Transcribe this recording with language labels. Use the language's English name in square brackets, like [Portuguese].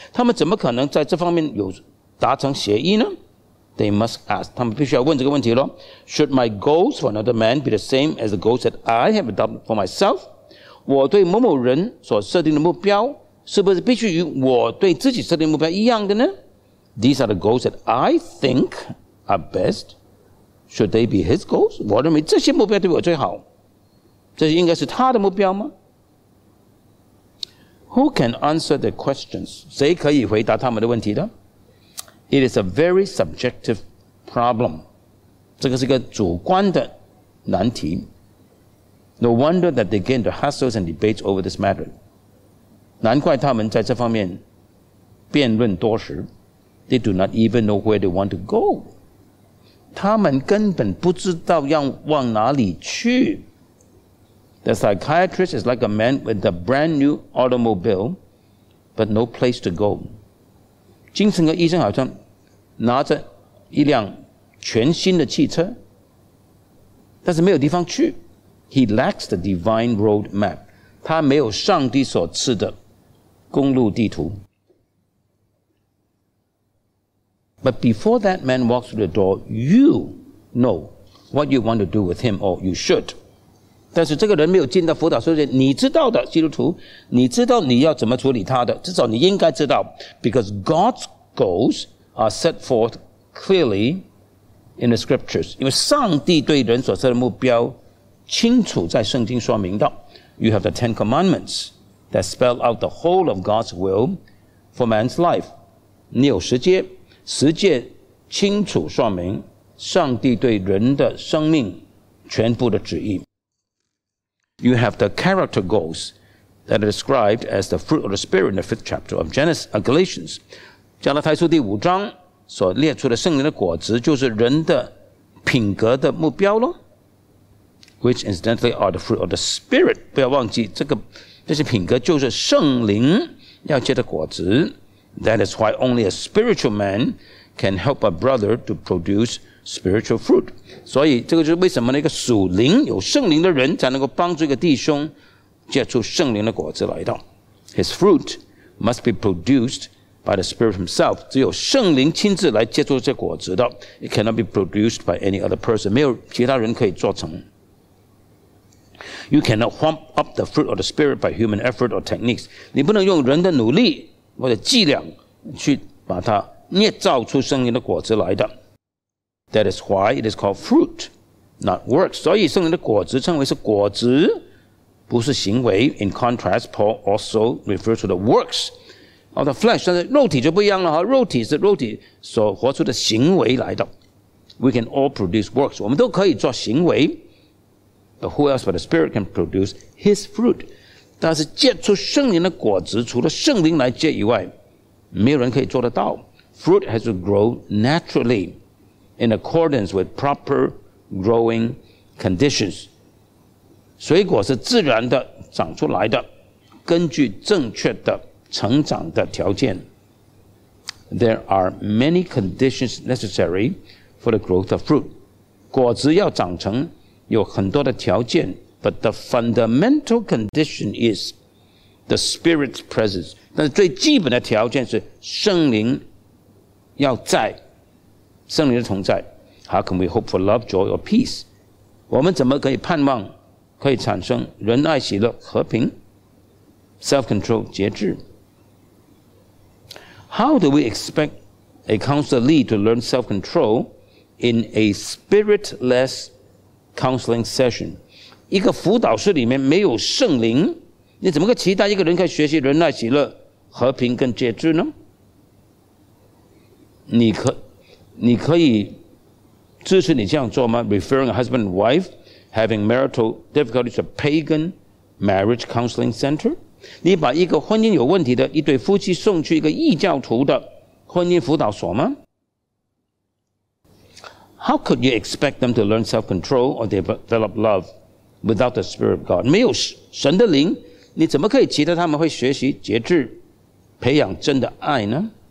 [Chinese] 他们怎么可能在这方面有达成协议呢？ [English] They must ask. [Chinese] 他们必须要问这个问题咯。 [English] Should my goals for another man be the same as the goals that I have adopted for myself? [Chinese] 我对某某人所设定的目标是不是必须与我对自己设定的目标一样的呢？ [English] These are the goals that I think are best. Should they be his goals? [Chinese] 我认为这些目标对我最好。这应该是他的目标吗？ [English] Who can answer the questions? [Chinese] 谁可以回答他们的问题呢？ [English] It is a very subjective problem. [Chinese] 这个是一个主观的难题。 [English] No wonder that they get into hassles and debates over this matter. [Chinese] 难怪他们在这方面辩论多时。 [English] They do not even know where they want to go. [Chinese] 他们根本不知道要往哪里去。 [English] The psychiatrist is like a man with a brand new automobile, but no place to go. [Chinese] 精神科医生好像拿着一辆全新的汽车，但是没有地方去。 [English] He lacks the divine road map. [Chinese] 他没有上帝所赐的公路地图。 [English] But before that man walks through the door, you know what you want to do with him, or you should. [Chinese] 但是这个人没有进到辅导室之前，你知道的，基督徒，你知道你要怎么处理他的，至少你应该知道。 [English] Because God's goals are set forth clearly in the scriptures. [Chinese] 因为上帝对人所设的目标清楚在圣经说明的。 [English] You have the Ten Commandments that spell out the whole of God's will for man's life. [Chinese] 你有十诫。十诫清楚说明上帝对人的生命全部的旨意。 [English] You have the character goals that are described as the fruit of the Spirit in the fifth chapter of Galatians. [Chinese] 加拉太书第五章所列出的圣灵的果子就是人的品格的目标咯。 [English] Which incidentally are the fruit of the Spirit. [Chinese] 不要忘记这个这些品格就是圣灵要结的果子。 [English] That is why only a spiritual man can help a brother to produce spiritual fruit. [Chinese] 所以这个就是为什么一个属灵有圣灵的人才能够帮助一个弟兄结出圣灵的果子来的。 [English] His fruit must be produced by the Spirit himself. [Chinese] 只有圣灵亲自来结出这果子的。 [English] It cannot be produced by any other person. [Chinese] 没有其他人可以做成。 [English] You cannot whomp up the fruit of the Spirit by human effort or techniques. [Chinese] 你不能用人的努力或者伎俩去把它捏造出圣灵的果子来的。 [English] That is why it is called fruit, not works. [Chinese] 所以圣灵的果子称为是果子，不是行为。 [English] In contrast, Paul also refers to the works of the flesh. [Chinese] 但是肉体就不一样了，肉体是肉体所活出的行为来的。 [English] We can all produce works. [Chinese] 我们都可以做行为。 [English] But who else but the Spirit can produce his fruit? [Chinese] 但是结出圣灵的果子，除了圣灵来结以外，没有人可以做得到。 [English] Fruit has to grow naturally in accordance with proper growing conditions. [Chinese] 水果是自然的长出来的，根据正确的成长的条件。 [English] There are many conditions necessary for the growth of fruit. [Chinese] 果子要长成，有很多的条件。 [English] But the fundamental condition is the Spirit's presence. [Chinese] 但是最基本的条件是圣灵要在，圣灵的同在。 [English] How can we hope for love, joy, or peace? [Chinese] 我们怎么可以盼望可以产生仁爱、喜乐、和平 ？Self-control, 节制。 [English] How do we expect a counselee to learn self-control in a spirit-less counseling session? [Chinese] 一个辅导室里面没有圣灵，你怎么个期待一个人可以学习仁爱、喜乐、和平跟节制呢？你可以支持你这样做吗 ？ [English] Referring a husband and wife having marital difficulties to pagan marriage counseling center， [Chinese] 你把一个婚姻有问题的一对夫妻送去一个异教徒的婚姻辅导所吗？ [English] How could you expect them to learn self-control or develop love？ without the Spirit of God. [Chinese] 没有神的灵，你怎么可以期待他们会学习节制，培养真的爱呢？